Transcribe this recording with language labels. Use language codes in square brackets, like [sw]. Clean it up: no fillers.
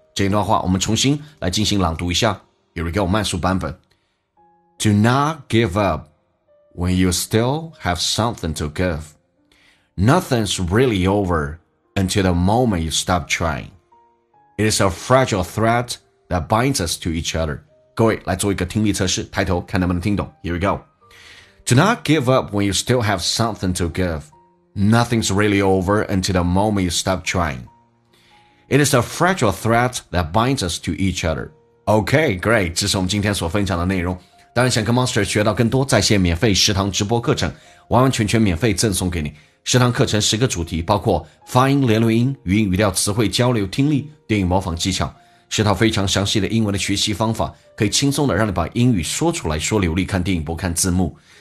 [zh] 这一段话我们重新来进行朗读一下。 [en] Here we go, [zh] 慢速版本。 [en] Do not give up when you still have something to give. Nothing's really over until the moment you stop trying. It is a fragile thread that binds us to each other. [zh] 各位来做一个听力测试，抬头看能不能听懂。 [en] Here we go. Do not give up when you still have something to give. Nothing's really over until the moment you stop trying. It is a fragile thread that binds us to each other. Okay, great. [zh] 这是我们今天所分享的内容。当然想跟 Monster 学到更多在线免费食堂直播课程完完全全免费赠送给你。食堂课程十个主题包括发音、连轮音、语音、语调、词汇、交流、听力、电影模仿技巧。是套非常详细的英文的学习方法可以轻松的让你把英语说出来说流利看电影不看字幕。